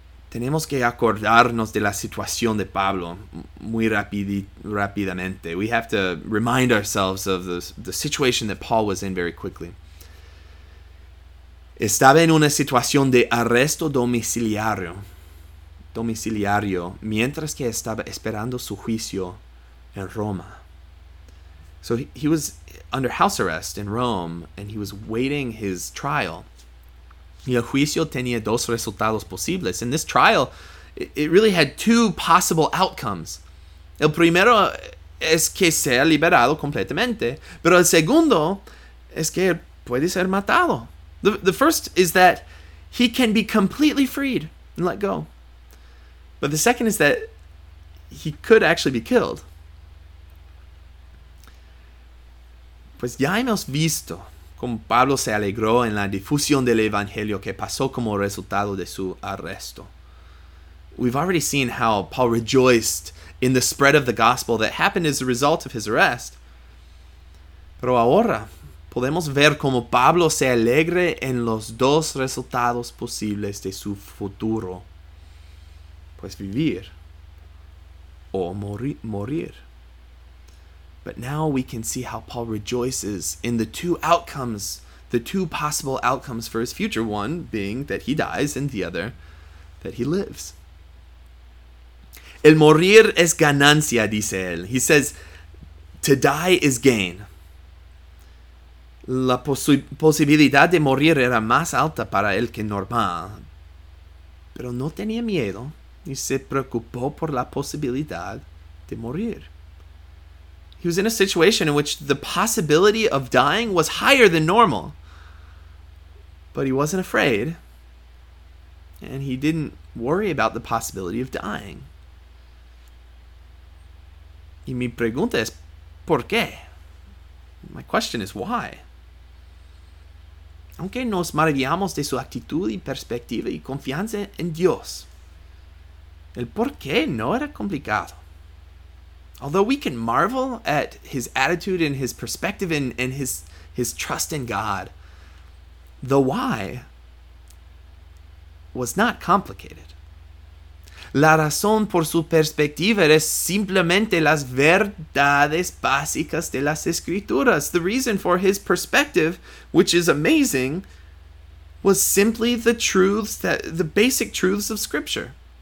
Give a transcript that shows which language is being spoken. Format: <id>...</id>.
<es>Tenemos que acordarnos de la situación de Pablo muy rápidamente.</es> <en>We have to remind ourselves of the situation that Paul was in very quickly.</en> <es>Estaba en una situación de arresto domiciliario mientras que estaba esperando su juicio en Roma.</es> <en>So he was under house arrest in Rome and he was waiting his trial.</en> <es>Y el juicio tenía dos resultados posibles.</es> <en>In this trial, it really had two possible outcomes.</en> <es>El primero es que sea liberado completamente. Pero el segundo es que puede ser matado.</es> <en>The first is that he can be completely freed and let go. But the second is that he could actually be killed.</en> <es>Pues ya hemos visto como Pablo se alegró en la difusión del Evangelio que pasó como resultado de su arresto.</es> <en>We've already seen how Paul rejoiced in the spread of the gospel that happened as a result of his arrest.</en> <es>Pero ahora podemos ver como Pablo se alegra en los dos resultados posibles de su futuro. Pues vivir o morir.</es> <en>But now we can see how Paul rejoices in the two outcomes, the two possible outcomes for his future, one being that he dies and the other that he lives.</en> <es>El morir es ganancia, dice él.</es> <en>He says, to die is gain.</en> <es>La posibilidad de morir era más alta para él que normal. Pero no tenía miedo y se preocupó por la posibilidad de morir.</es> <en>He was in a situation in which the possibility of dying was higher than normal. But he wasn't afraid. And he didn't worry about the possibility of dying.</en> <es>Y mi pregunta es, ¿por qué?</es> <en>My question is, why?</en> <es>Aunque nos maravillamos de su actitud y perspectiva y confianza en Dios, el por qué no era complicado.</es> <en>Although we can marvel at his attitude and his perspective and his trust in God, The why was not complicated.</en> <es>La razón por su perspectiva es simplemente las verdades básicas de las escrituras.</es> <en>The reason for his perspective, which is amazing, was simply the basic truths of Scripture.</en>